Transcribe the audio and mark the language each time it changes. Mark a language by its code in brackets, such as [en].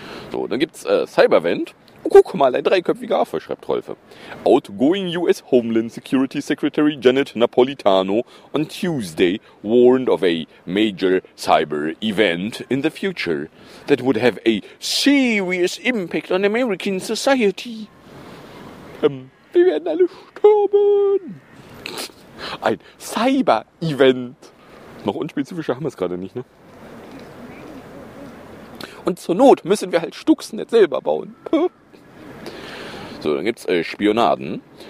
[de] So, dann gibt's Cyberwand. Oh, guck mal, ein dreiköpfiger Affe, schreibt Rolfe. [en] Outgoing US Homeland Security Secretary Janet Napolitano on Tuesday warned of a major cyber event in the future that would have a serious impact on American society. [de] Wir werden alle sterben. Ein Cyber-Event. Noch unspezifischer haben wir es gerade nicht, ne? Und zur Not müssen wir halt Stuxnet selber bauen. So, dann gibt es Spionaden.